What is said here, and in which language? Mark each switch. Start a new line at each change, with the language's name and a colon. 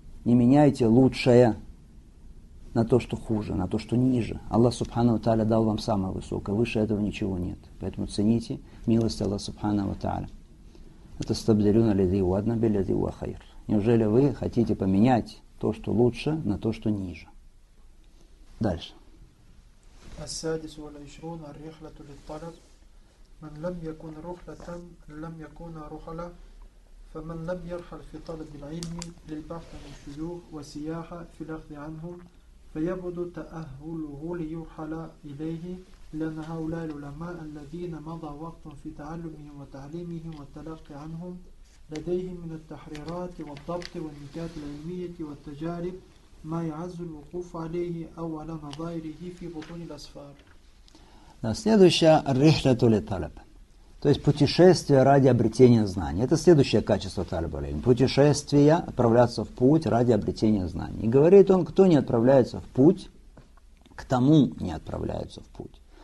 Russian: не меняйте лучшее на то, что хуже, на то, что ниже. Аллах Субхана ва Тааля дал вам самое высокое, выше этого ничего нет. Поэтому цените милость Аллаха Субхана ва Тааля. Это стабдируна лизи уадна би лизи уа хайр. Неужели вы хотите поменять то, что лучше, на то, что ниже? Дальше.
Arabic: السادس والعشرون الرحلة للطلب من لم يكن رحلة لم يكن رحلة فمن لم يرحل في طلب العلم للبحث عن الشيوخ والسياحة في الأخذ عنهم فيبعد تأهله ليرحل إليه لأن هؤلاء العلماء الذين مضى وقت في تعلمهم وتعليمهم والتلقي عنهم لديهم من التحريرات والضبط والنكات العلمية والتجارب ما يعز الوقوف عليه أو على نظائره في بطون الأسفار.
Russian: Да, следующая рихля толи талаб. То есть путешествие ради обретения знаний. Это следующее качество талаба. Путешествие, отправляться в путь ради обретения знаний. И говорит он, кто не отправляется в путь, к тому не отправляются в путь.